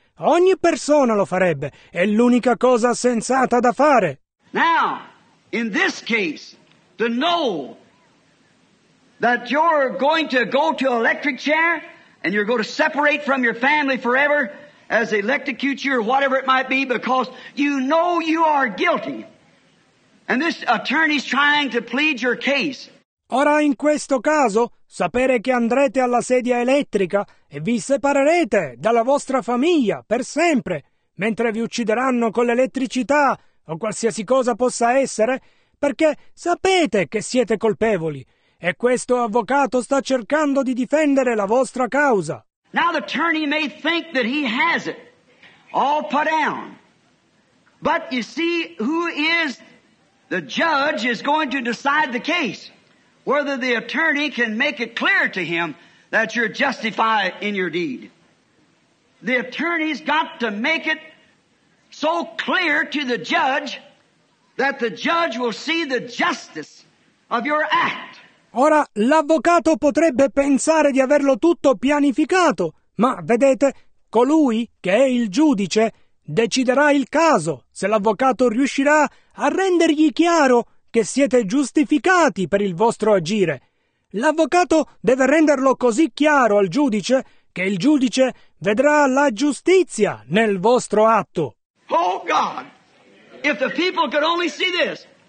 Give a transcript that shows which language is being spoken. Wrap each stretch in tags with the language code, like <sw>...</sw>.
<it>Ogni persona lo farebbe. È l'unica cosa sensata da fare.</it> <en>Now, in this case, to know that you're going to go to electric chair, and you're going to separate from your family forever as they electrocute you or whatever it might be because you know you are guilty. And this attorney's trying to plead your case.</en> <it>Ora in questo caso, sapere che andrete alla sedia elettrica e vi separerete dalla vostra famiglia per sempre, mentre vi uccideranno con l'elettricità o qualsiasi cosa possa essere, perché sapete che siete colpevoli. E questo avvocato sta cercando di difendere la vostra causa.</it> <en>Now the attorney may think that he has it all put down. But you see, who is the judge is going to decide the case. Whether the attorney can make it clear to him that you're justified in your deed. The attorney's got to make it so clear to the judge that the judge will see the justice of your act.</en> <it>Ora, l'avvocato potrebbe pensare di averlo tutto pianificato, ma, vedete, colui che è il giudice deciderà il caso se l'avvocato riuscirà a rendergli chiaro che siete giustificati per il vostro agire. L'avvocato deve renderlo così chiaro al giudice che il giudice vedrà la giustizia nel vostro atto.</it> <en>Oh, God! If the people could only see this,</en>